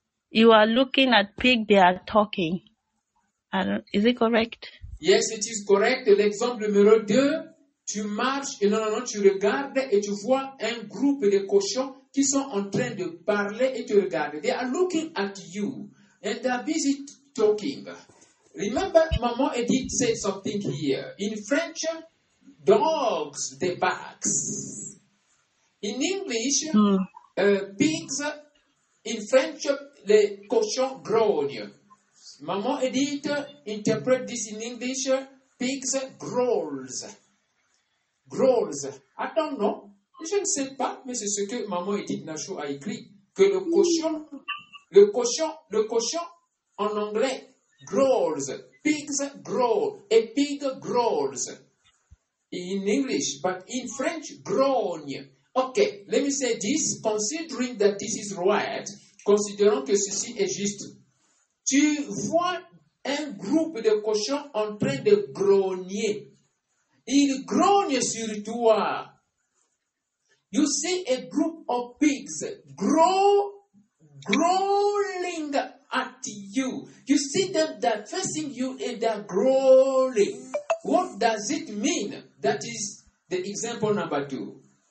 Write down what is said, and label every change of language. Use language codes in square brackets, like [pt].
[en] You are looking at pig, they are talking. Is it correct? Yes, it is correct. [fr] L'exemple numéro 2. Tu marches et non, tu regardes et tu vois un groupe de cochons qui sont en train de parler et tu regardes. [en] They are looking at you and they are busy talking. Remember, Maman Edith said something here. In French, dogs, they bark. In English, pigs, in French, [fr] les cochons grognent. [en] Maman Edith interprète this in English, pigs growls. Growls. I don't know. [fr] Je ne sais pas, mais c'est ce que Maman Edith Nacho a écrit. Que le cochon en anglais, growls. [en] Pigs growl. A pig growls. In English, but in French, grogne. Okay, let me say this. Considering that this is right, [fr] considérons que ceci est juste. Tu vois un groupe de cochons en train de grogner. Il grogne sur toi. [en] You see a group of pigs growling at you. You see them that facing you and they're growling. What does it mean? That is the example number 2.